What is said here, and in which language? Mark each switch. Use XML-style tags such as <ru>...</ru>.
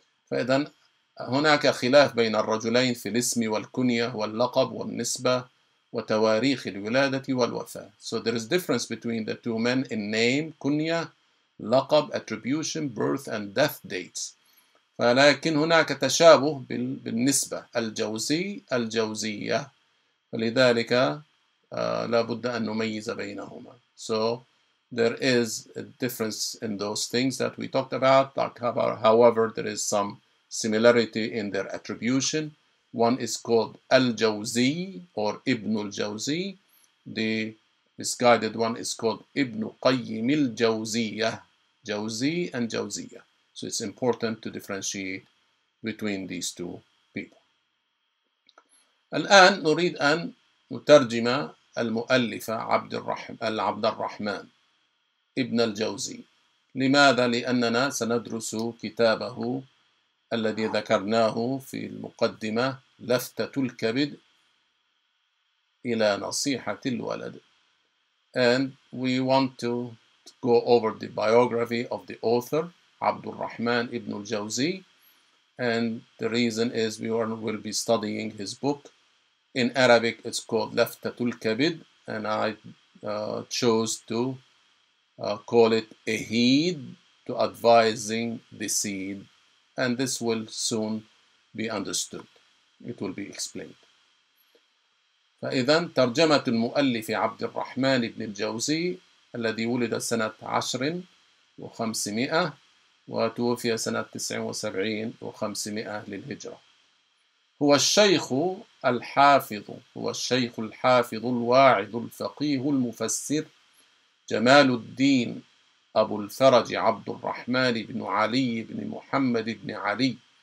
<ar>فإذا هناك خلاف بين الرجلين في الاسم والكنية واللقب والنسبة وتواريخ الولادة والوفاة.</ar> <en>So there is difference between the two men in name, كنية, لقب, attribution, birth and death dates.</en> <ar>ولكن هناك تشابه بالنسبة الجوزي الجوزية ولذلك لا بد أن نميز بينهما.</ar> <en>So there is a difference in those things that we talked about. However, there is some similarity in their attribution. One is called الجوزي or ابن الجوزي. The misguided one is called ابن قيم الجوزية. جوزي and جوزية. So it's important to differentiate between these two people.</en> <ar>الآن نريد أن نترجم المؤلفة عبد الرحمن ابن الجوزي. لماذا؟ لأننا سندرس كتابه الذي ذكرناه في المقدمة لفتة الكبد إلى نصيحة الولد.</ar> <en>And we want to go over the biography of the author. عبد الرحمن ابن الجوزي, and the reason is we will be studying his book. In Arabic, it's called لفتة الكبد, and I chose to call it a heed to advising the seed, and this will soon be understood. It will be explained.</en> <ar>فإذا ترجمة المؤلف عبد الرحمن ابن الجوزي الذي ولد سنة 1500 وتوفي سنة 79 و500 للهجرة. هو الشيخ الحافظ, هو الشيخ الحافظ الواعظ الفقيه المفسر جمال الدين أبو الفرج عبد الرحمن بن علي بن محمد بن علي</ar>